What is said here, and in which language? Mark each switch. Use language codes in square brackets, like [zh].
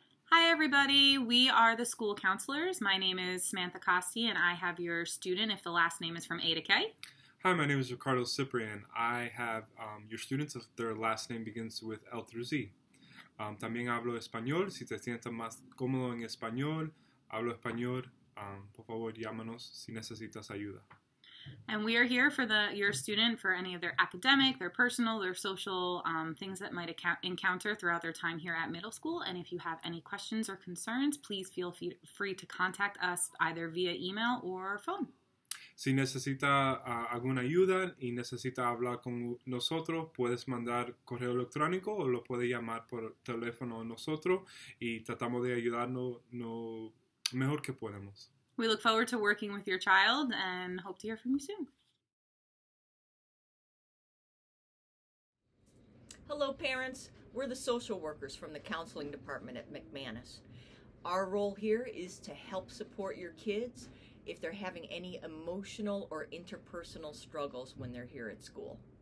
[en] Hi everybody, we are the school counselors. My name is Samantha Costi, and I have your student if the last name is from A to K. Hi, my name is Ricardo Ciprian. I have your students if their last name begins with L through Z. [es] También hablo español. Si te sientes más cómodo en español, hablo español. Por favor, llámanos si necesitas ayuda. [en] And we are here for your student for any of their academic, their personal, their social things that might encounter throughout their time here at middle school. And if you have any questions or concerns, please feel free to contact us either via email or phone. [es] Si necesita alguna ayuda y necesita hablar con nosotros, puedes mandar correo electrónico o lo puede llamar por teléfono a nosotros y tratamos de ayudarnos lo mejor que podemos. [en] We look forward to working with your child and hope to hear from you soon. Hello parents, we're the social workers from the counseling department at McManus. Our role here is to help support your kids if they're having any emotional or interpersonal struggles when they're here at school.